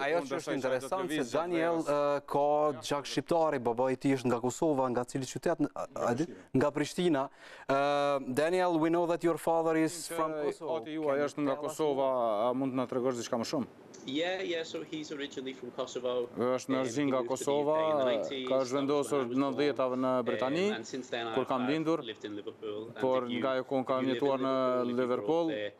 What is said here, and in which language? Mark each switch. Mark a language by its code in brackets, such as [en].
[sq] Ajo që është interesant, se Daniel ka gjak shqiptari, baba i tij është nga Kosova, nga cili qytet, nga Prishtina. [en] Daniel, we know that your father is from Kosovo. [sq] Ati ju, ajo është nga Kosova, mund të në tregosh diçka më shumë? [en] Yeah, so he's originally from Kosovo. [sq] Është në origjinë nga Kosova. ka zhvendosur 90-tave në Britani, kur kam lindur, por nga e kohën kam jetuar në Liverpool.